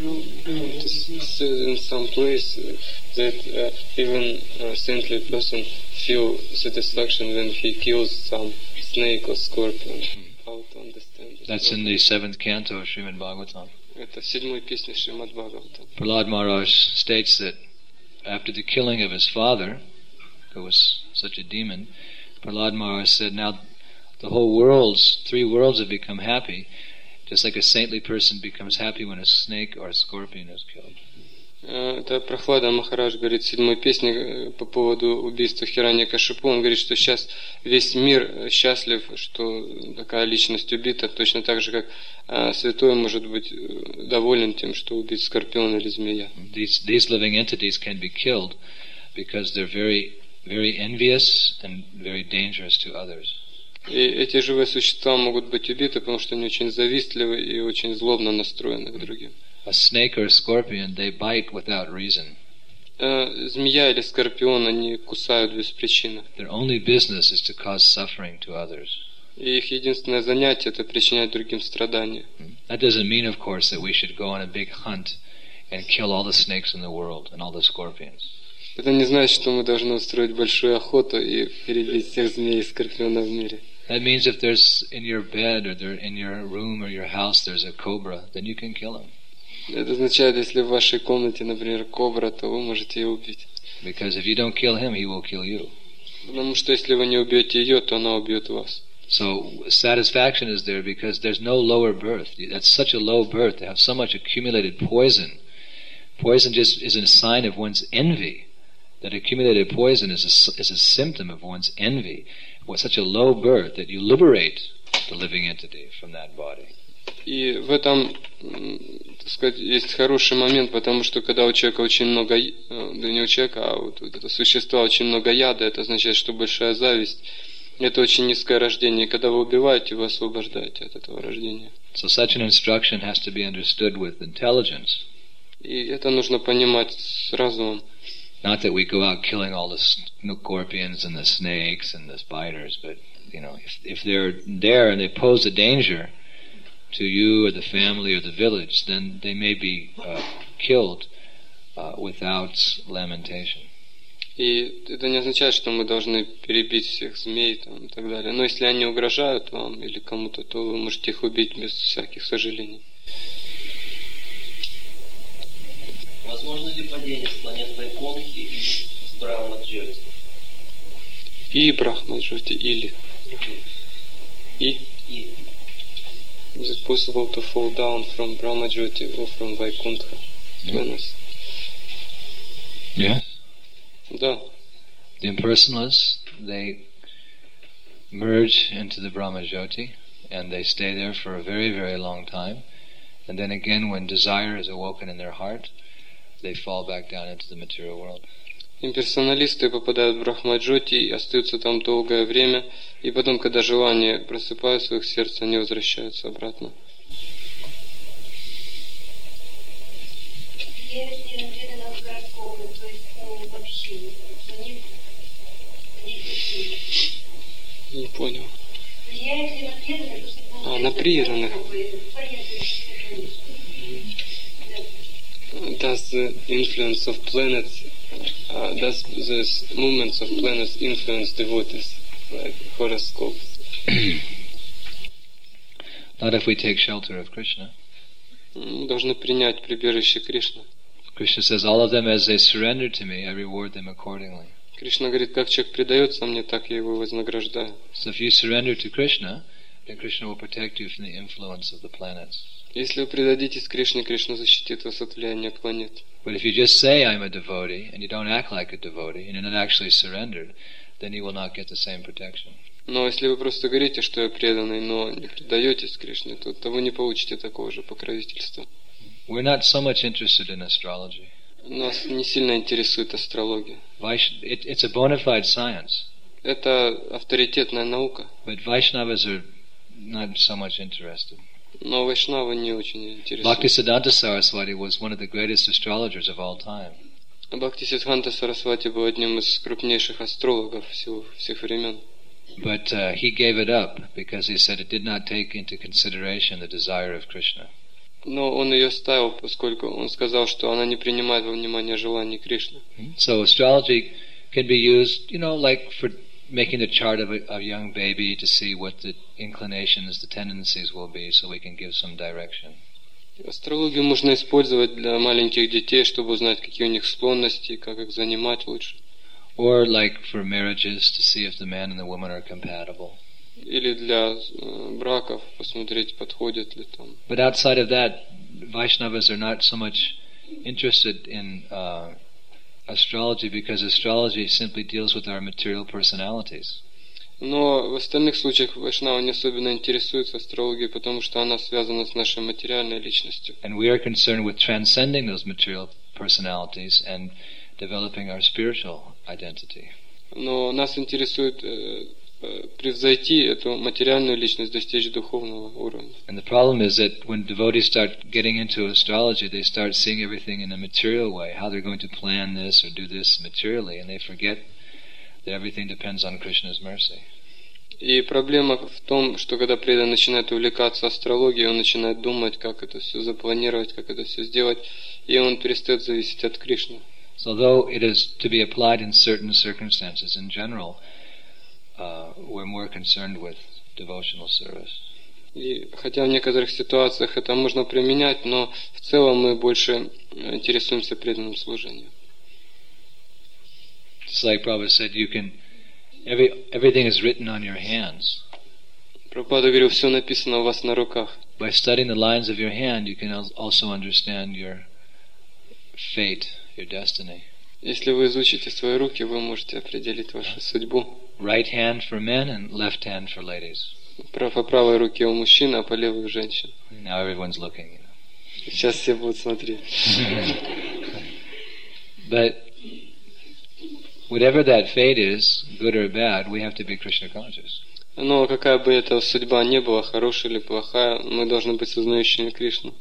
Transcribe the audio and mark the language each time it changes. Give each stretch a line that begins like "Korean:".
English: It says in some place that even a saintly person feels satisfaction when he kills some snake or scorpion. How to understand it? That's in the seventh canto of Srimad Bhagavatam.
Russian: Это седьмой песня Шримад Бхагаватам.
English: Prahlad Maharaj states that after the killing of his father, who was such a demon, Prahlad Maharaj said, now the whole worlds, three worlds have become happy, just like a saintly person becomes happy when a snake or a scorpion is killed.
Russian: Это Прохлада Махарадж говорит в седьмой песне по поводу убийства Хираньякашипу. Он говорит, что сейчас весь мир счастлив, что такая личность убита, точно так же, как святой может быть доволен тем, что убит скорпион или змея.
English: These living entities can be killed because they're very, very envious and very dangerous to others.
Russian: И эти живые существа могут быть убиты, потому что они очень завистливы и очень злобно настроены к другим.
English: A snake or a scorpion, they bite without reason.
Russian: Змея или скорпион, они кусают без причины.
English: Their only business is to cause suffering to others.
Russian: И их единственное занятие — это причинять другим страдания.
English: That doesn't mean, of course, that we should go on a big hunt and kill all the snakes in the world and all the scorpions.
Russian: Это не значит, что мы должны устроить большую охоту и перебить всех змей и скорпионов в мире.
English: That means if there's in your bed or there in your room or your house there's a cobra, then you can kill him.
Russian: Это означает, если в вашей комнате, например, кобра, то вы можете ее убить.
English: Because if you don't kill him, he will kill you.
Russian: Потому что если вы не убьете ее, то она убьет вас.
English: So satisfaction is there because there's no lower birth. That's such a low birth. They have so much accumulated poison. Poison just is a sign of one's envy. That accumulated poison is a symptom of one's envy. With such a low birth that you liberate the living entity from that body.
Russian: И в этом, так сказать, есть хороший момент, потому что когда у человека очень много, да не у человека, а вот у этого существа очень много яда, это означает, что большая зависть. Это очень низкое рождение. И когда вы убиваете, вы освобождаете от этого рождения.
English: So such an instruction has to be understood with intelligence.
Russian: И это нужно понимать с разумом.
English: Not that we go out killing all the scorpions and the snakes and the spiders, but you know, if they're there and they pose a danger to you or the family or the village, then they may be killed without lamentation.
Russian: И это не означает, что мы должны перебить всех змей там и так далее. Но если они угрожают вам или кому-то, то вы можете их убить без всяких сожалений. Возможно ли падение с планет Вайкунхи и с Брахма-Джоти? И Брахма-Джоти, или. И.
English: Is it possible to fall down from Brahma-Jyoti or from Vaikuntha? Yes. Yes?
Russian: Да.
English: The impersonalists, they merge into the Brahma-Jyoti and they stay there for a very, very long time. And then again, when desire is awoken in their heart, they fall back down into the material world.
Russian: Имперсоналисты попадают в Брахма-Джоти и остаются там долгое время, и потом, когда желание просыпается в их сердце, они возвращаются обратно. Не понял. На преданных.
English: Does the influence of planets, does the movements of planets influence devotees, like horoscopes? Not if we take shelter of Krishna.
Russian: Мы должны принять прибежище Кришны.
English: Krishna says, all of them as they surrender to me, I reward them accordingly.
Russian: Кришна говорит, как человек предается мне, так я его вознаграждаю.
English: So if you surrender to Krishna, then Krishna will protect you from the influence of the planets.
Russian: Если вы предадитесь Кришне, Кришна защитит вас от влияния планет.
English: But if you just say I'm a devotee and you don't act like a devotee and you're not actually surrendered, then you will not get the same protection.
Russian: Но если вы просто говорите, что я преданный, но не предаетесь Кришне, то вы не получите такого же покровительства.
English: We're not so much interested in astrology.
Russian: Нас не сильно интересует астрология.
English: It's a bona fide science.
Russian: Это авторитетная наука.
English: But Vaishnavas are not so much interested.
Russian: Но вайшнавы не очень интересуют.
English: Бхактисиддханта Сарасвати was one of the greatest astrologers of all time.
Russian: Бхактисиддханта Сарасвати был одним из крупнейших астрологов всех времен.
English: But he gave it up because he said it did not take into consideration the desire of Krishna.
Russian: Но он ее ставил, поскольку он сказал, что она не принимает во внимание желаний Кришны.
English: So astrology can be used, you know, like for making the chart of a young baby to see what the inclinations, the tendencies will be, so we can give some direction.
Russian: Астрологию можно использовать для маленьких детей, чтобы узнать, какие у них склонности, как их занимать лучше.
English: Or like for marriages to see if the man and the woman are compatible.
Russian: Или для браков посмотреть, подходит ли там.
English: But outside of that, Vaishnavas are not so much interested in astrology because astrology simply deals with our material personalities.
Russian: Но в остальных случаях вайшнавы не особенно интересуются астрологией, потому что она связана с нашей материальной личностью.
English: And we are concerned with transcending those material personalities and developing our spiritual identity.
Russian: Но нас интересует превзойти эту материальную личность, достичь духовного уровня.
English: And the problem is that when devotees start getting into astrology, they start seeing everything in a material way, how they're going to plan this or do this materially, and they forget that everything depends on Krishna's mercy.
Russian: И проблема в том, что когда преданный начинает увлекаться астрологией, он начинает думать, как это все запланировать, как это все сделать, и он перестает зависеть от Кришны.
English: So though it is to be applied in certain circumstances, in general, we're more concerned with devotional service.
Russian: И хотя в некоторых ситуациях это можно применять, но в целом мы больше интересуемся преданным служением.
English: Just like Prabhupada said, you can everything is written on your hands.
Russian: Прабхупада говорил, все написано у вас на руках.
English: By studying the lines of your hand, you can also understand your fate, your destiny.
Russian: Если вы изучите свои руки, вы можете определить вашу судьбу.
English: Right hand for men and left hand for ladies.
Russian: По правой руке у мужчин, а по левой у женщин.
English: Now everyone's looking. You know.
Russian: Сейчас все будут смотреть.
English: But whatever that fate is, good or bad, we have to be Krishna conscious.
Russian: Но какая бы эта судьба ни была, хорошая или плохая, мы должны быть сознающими Кришну.